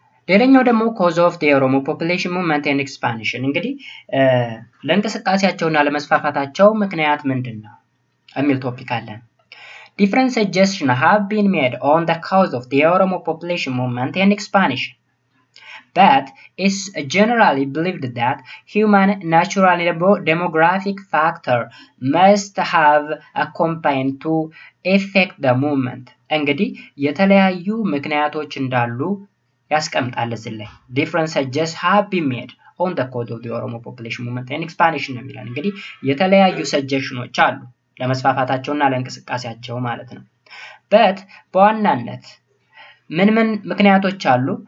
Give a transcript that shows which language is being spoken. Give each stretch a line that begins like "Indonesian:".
English: ሌላኛው ደግሞ cause of the Oromo population movement and expansion
Amharic: እንግዲህ ለእንቅስቃሴያቸውና ለመስፋፋታቸው ምክንያት ምንድነው አሚል ቶፒክ አለ።
English: Different suggestions have been made on the cause of the Oromo population movement and expansion. But it's generally believed that human natural demographic factor must have accompanied to affect the movement.
Amharic: እንግዲህ የተለያዩ ምክንያቶች እንዳሉ ያስቀምጣል እዚህ ላይ።
English: Different suggestions have been made on the cause of the Oromo population movement and expansion
Amharic: ነው የሚለው። እንግዲህ የተለያዩ suggestions አሉ ለመስፋፋታቸውና ለእንቅስቃሴያቸው ማለት ነው። But በዋናነት ምን ምክንያቶች አሉ?